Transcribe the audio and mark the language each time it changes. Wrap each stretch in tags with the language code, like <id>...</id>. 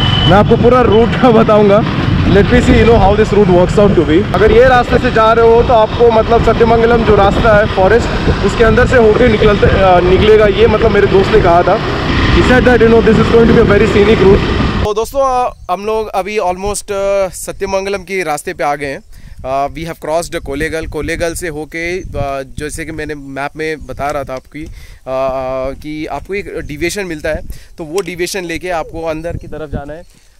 <hi>मैं आपको पूरा रूट बताऊंगा,</hi> <en>Let me see you know how this route works out to be.</en> <hi>अगर ये रास्ते से जा रहे हो तो आपको मतलब सत्यमंगलम जो रास्ता है फॉरेस्ट उसके अंदर से होके निकलेगा ये, मतलब मेरे दोस्त ने कहा था।</hi> <en>He said that you know this is going to be a very scenic route।</en> <hi>तो दोस्तों हम लोग अभी ऑलमोस्ट सत्यमंगलम के रास्ते पे आ गए हैं।</hi> <en>we have crossed</en> <hi>Kollegal, Kollegal से होके जैसे कि मैंने मैप में बता रहा था आपकी कि आपको एक डिवेशन मिलता है, तो वो डिवेशन लेके आपको अंदर की तरफ जाना है।</hi>